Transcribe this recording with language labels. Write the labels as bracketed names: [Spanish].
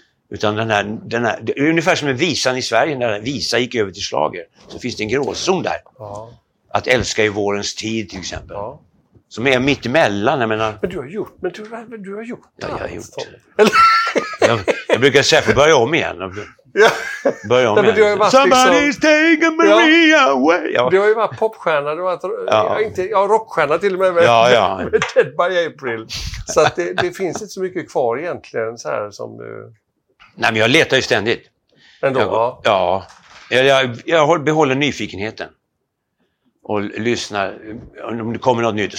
[Swedish] Utan den här ungefär som en visan i Sverige, när den visa gick över till slager, så finns det en gråzon där. Uh-huh. Att älska i vårens tid till exempel. Uh-huh. Som är mitt emellan, jag menar. Men du har gjort det. Ja, jag har gjort det. Jag brukar säga att jag börjar om igen. Ja. Börja om. Nej, men [English] somebody's taking Maria away. [Swedish] Du har ju varit popstjärna. Du har varit, rockstjärna till och med. Ja, ja. [English] Dead by April. [Swedish] Så att det finns inte så mycket kvar egentligen. Så här, som du... Nej, men jag letar ju ständigt. Ändå, Jag behåller nyfikenheten. Och lyssna om det kommer något nytt.